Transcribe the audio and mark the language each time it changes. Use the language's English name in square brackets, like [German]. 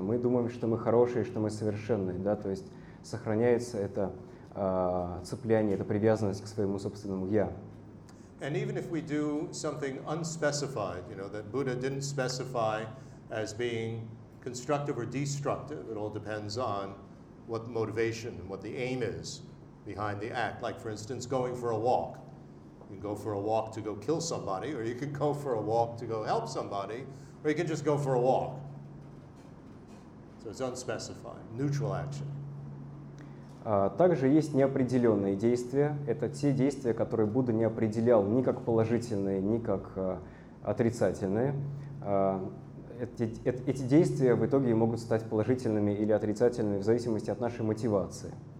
[Russian] Мы думаем, что мы хорошие, что мы совершенные, да? То есть сохраняется это цепляние, эта привязанность к своему собственному «я». [English] And even if we do something unspecified, you know, that Buddha didn't specify as being constructive or destructive, it all depends on what the motivation and what the aim is behind the act. Like, for instance, going for a walk. You can go for a walk to go kill somebody, or you can go for a walk to go help somebody, or you can just go for a walk. So it's unspecified, neutral action. [Russian] Также есть неопределенные действия. Это те действия, которые Будда не определял ни как положительные, ни как отрицательные. Эти действия в итоге могут стать положительными или отрицательными в зависимости от нашей мотивации.